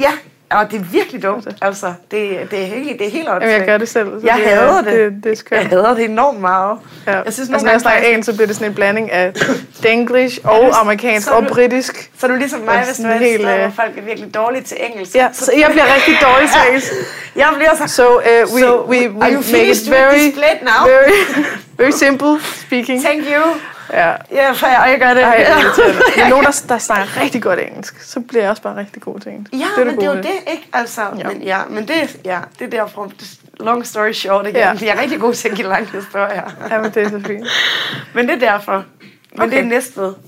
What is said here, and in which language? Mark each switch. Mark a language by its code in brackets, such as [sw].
[da] Ja, Og det er virkelig dumt. Altså, det er helt åndssvagt. Jamen, jeg gør det selv. Jeg hader det. Det er skønt. Jeg hader det enormt meget. Ja. Jeg synes, altså, når jeg snakker en, så bliver det sådan en blanding af denglish og amerikansk og britisk. Så er du ligesom mig, hvis du er helt, sted, hvor folk er virkelig dårlige til engelsk. Ja, så jeg bliver rigtig dårlig til engelsk. Jeg bliver så... [en] So, we are you finished very, with this plate now? Very, very simple speaking. Thank you. [da] Ja, for jeg gør det. Ej, men nogen, der snakker rigtig godt engelsk, så bliver jeg også bare rigtig god til engelsk. Ja, det men det er jo det, ikke? Altså, ja. Men, ja, men det, ja, det er derfor, [en] long story short [da] igen, ja. Jeg er rigtig god til at give lang historie. Ja, men det er så fint. Men det er derfor. Men okay. Det er næste.